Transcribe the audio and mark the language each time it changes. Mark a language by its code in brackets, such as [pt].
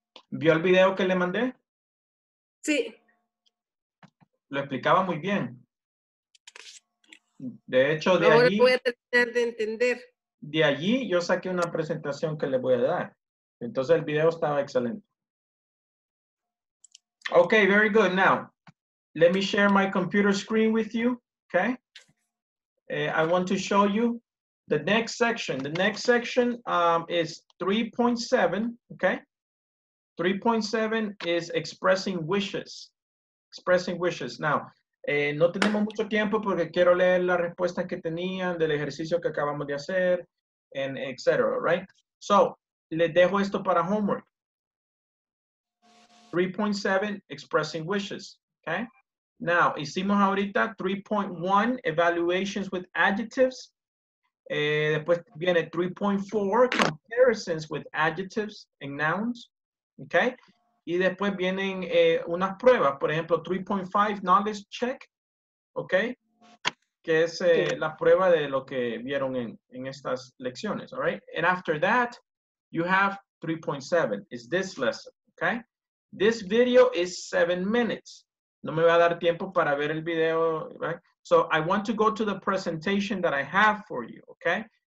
[es] ¿Vio el video que le mandé? Sí. Lo explicaba muy bien. De hecho, de ahora allí... voy a tratar de entender. De allí yo saqué una presentación que le voy a dar. Entonces el video estaba excelente. [en] Okay, very good. Now, let me share my computer screen with you, okay? I want to show you the next section. The next section is 3.7, okay? 3.7 is expressing wishes. Expressing wishes. [es] Now, no tenemos mucho tiempo porque quiero leer las respuestas que tenían del ejercicio que acabamos de hacer, [en] and et cetera, right? [es] So, les dejo esto para homework. [en] 3.7, expressing wishes, okay? Now, [es] hicimos ahorita [en] 3.1, evaluations with adjectives. [es] Después viene [en] 3.4, comparisons with adjectives and nouns, okay? [es] Y después vienen unas pruebas, por ejemplo, 3.5, knowledge check, okay? Que es la prueba de lo que vieron en estas lecciones, all right? [en] And after that, you have 3.7, is this lesson, okay? This video is 7 minutes. [es] No me va a dar tiempo para ver el video, right? [en] So I want to go to the presentation that I have for you, okay?